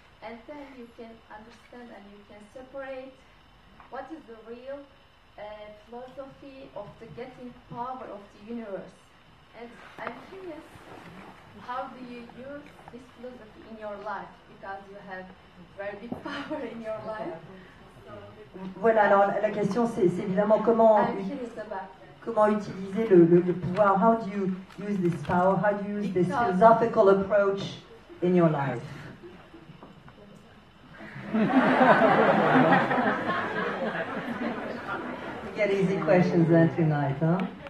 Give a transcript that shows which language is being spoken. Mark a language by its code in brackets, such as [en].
[en] And then you can understand and you can separate what is the real philosophy of the getting power of the universe. And I'm curious, how do you use this philosophy in your life? Because you have very big power in your life. [fr] Voilà, alors la question c'est évidemment comment utiliser le pouvoir. [en] How do you use this power? How do you use this philosophical approach in your life? We get easy questions then tonight, huh?